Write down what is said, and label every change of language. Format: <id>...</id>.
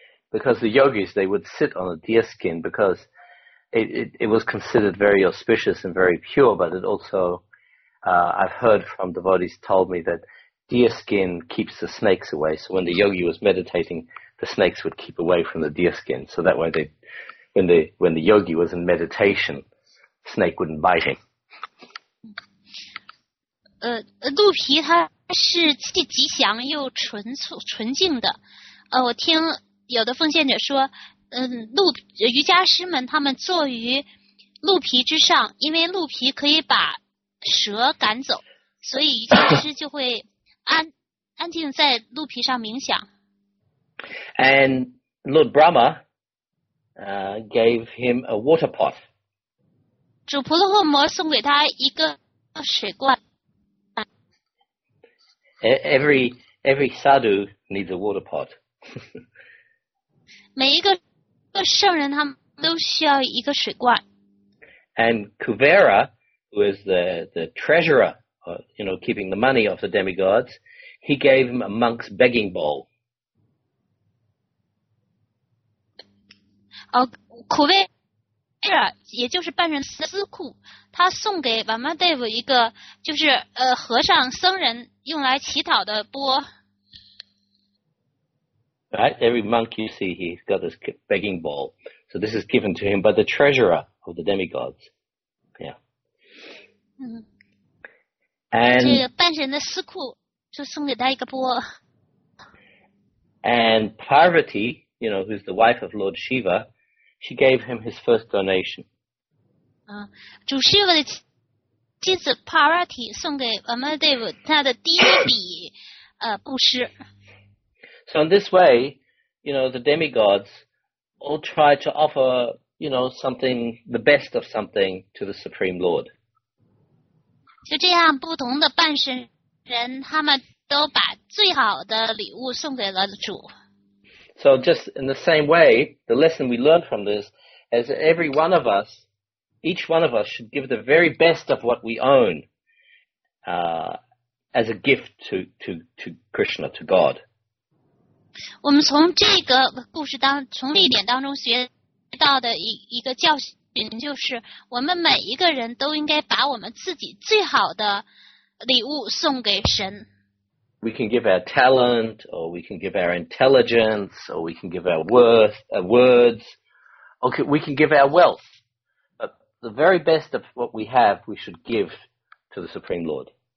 <en>Because the yogis, they would sit on a deer skin because it was considered very auspicious and very pure, but it also, I've heard from devotees told me that deer skin keeps the snakes away. So when the yogi was meditating, the snakes would keep away from the deer skin. So that way, when the yogi was in meditation, snake wouldn't bite him.</en> <zh>鹿皮它是既吉祥又纯净的。我听有的奉献者说，瑜伽师们他们坐于鹿皮之上，因为鹿皮可以把蛇赶走，所以瑜伽师就会安静在鹿皮上冥想。</zh> <en>And Lord Brahma, gave him a water pot.</en> <zh>主婆罗诃摩送给他一个水罐。</zh> <en>Every sadhu needs a water pot.</en> <zh>每一个圣人他们都需要一个水罐。</zh> <en>And Kuvera, who is the treasurer, you know, keeping the money of the demigods, he gave him a monk's begging bowl.</en> <zh>Kuvera, 也就是半人司库，他送给 Vamadeva 一个就是和尚僧人。用来祈祷的钵。</zh> <en>Right, every monk you see, he's got this begging bowl. So this is given to him by the treasurer of the demigods. Yeah. And</en> <zh>这个半神的司库就送给他一个钵。</zh> <en>And Parvati, you know, who's the wife of Lord Shiva, she gave him his first donation.</en> <zh>主 Shiva 的妻子 Parvati 送给 Vamadeva 他的第一笔布施。</zh> <en>So in this way, you know, the demigods all try to offer you know, something, the best of something to the Supreme Lord.</en> <zh>就这样，不同的半神人，他们都把最好的礼物送给了主。</zh> <en>So just in the same way, the lesson we learned from this is that every one of us, each one of us should give the very best of what we own, as a gift to Krishna, to God.</en> <zh>我们从这个故事当，从历典当中学到的一个教训就是，我们每一个人都应该把我们自己最好的礼物送给神。</zh> <en>We can give our talent, or we can give our intelligence, or we can give our words. Okay, we can give our wealth. But the very best of what we have, we should give to the Supreme Lord.</en>